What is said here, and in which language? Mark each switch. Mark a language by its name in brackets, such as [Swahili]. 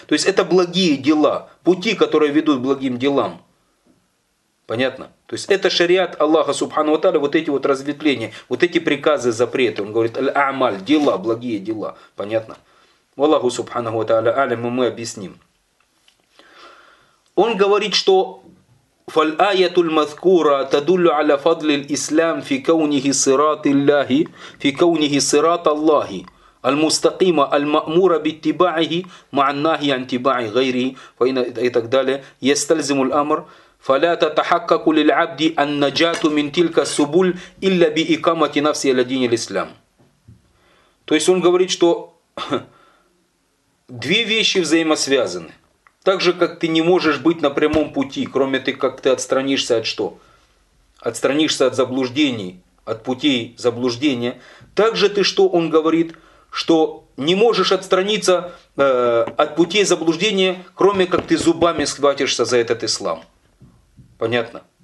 [Russian] То есть это благие дела, пути, которые ведут к благим делам. Понятно? То есть это шариат Аллаха, субханаху ва тааля, вот эти вот разветвления, вот эти приказы, запреты. Он говорит, аль-амаль, дела, благие дела. Понятно? В Аллаху, субханаху ва тааля, алим, мы объясним. Он говорит, что [Arabic] فالآيات المذكورة تدل على فضل الإسلام في كونه صراط الله في كونه صراط الله المستقيم المأمور باتباعه مع النهي عن اتباع غيره فإن إتاك دالة يستلزم الأمر فلا تتحقق للعبد النجاة من تلك السبل إلا بإقامة نفسه لدين الإسلام. [Russian] То есть он говорит, что две вещи взаимосвязаны. Так же, как ты не можешь быть на прямом пути, кроме ты, как ты отстранишься от что? Отстранишься от заблуждений, от путей заблуждения. Так же ты что, он говорит, что не можешь отстраниться от путей заблуждения, кроме как ты зубами схватишься за этот ислам. Понятно?